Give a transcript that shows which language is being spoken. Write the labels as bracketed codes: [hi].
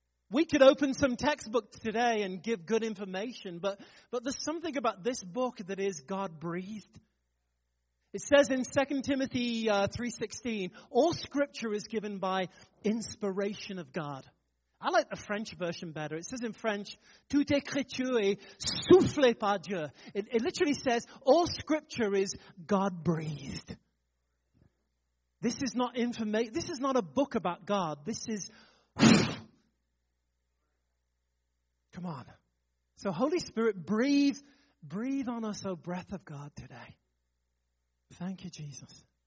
[en] We could open some textbook today and give good information, but there's something about this book that is God-breathed. It says in 2 Timothy 3:16, all scripture is given by inspiration of God. I like the French version better. It says in French, [fr] tout écriture est soufflé par Dieu. [en] It literally says, all scripture is God-breathed. This is not information. This is not a book about God. This is, come on. So Holy Spirit, breathe on us, O breath of God, today. Thank you, Jesus.